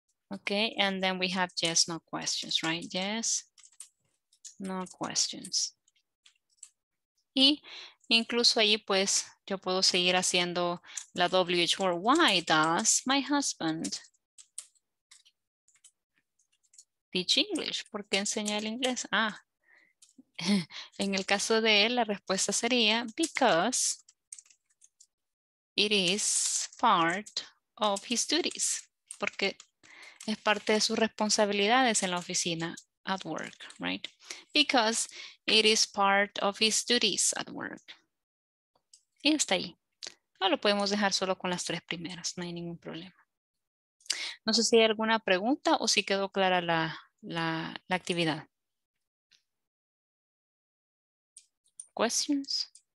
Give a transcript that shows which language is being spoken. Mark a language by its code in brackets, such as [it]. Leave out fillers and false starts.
[en] Okay, and then we have yes, no questions, right? Yes, no questions. [es] Y incluso ahí, pues, yo puedo seguir haciendo la WH word. [en] Why does my husband teach English? [es] ¿Por qué enseña el inglés? Ah, en el caso de él, la respuesta sería [en] because it is part of his duties. [es] Porque es parte de sus responsabilidades en la oficina [en] at work, right? Because it is part of his duties at work. [es] Y hasta ahí. O lo podemos dejar solo con las tres primeras. No hay ningún problema. No sé si hay alguna pregunta o si quedó clara la actividad. [en] ¿Questions?